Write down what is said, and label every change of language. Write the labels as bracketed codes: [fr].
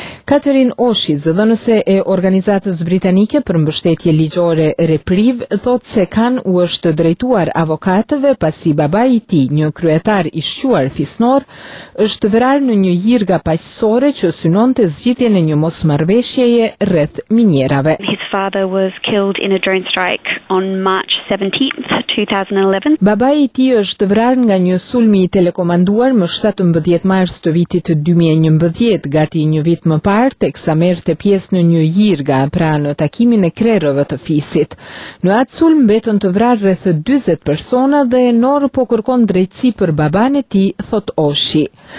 [sq] Catherine O zëdhënëse e organizatës britanike për mbështetje ligjore Repriv thot se kanë u është drejtuar avokatëve pasi baba i tij, një kryetar i shquar fisnor, është vrarë në një jirga paqësore që synonte zgjidhjen e një mosmarrveshjeje rreth minjerave. [en] His father was killed in a drone strike on March 17th, 2011. [sq] Baba i tij është vrarë nga një sulmi i telekomanduar më 17 mars të vitit 2011, gati një vit më parë teksa merte pjesë në një jirga pra në takimin e krerëve të fisit. Në atë sulm mbetën të vrarë rreth 40 persona dhe Nor po kërkon drejtësi për baban e tij, thot Oshi.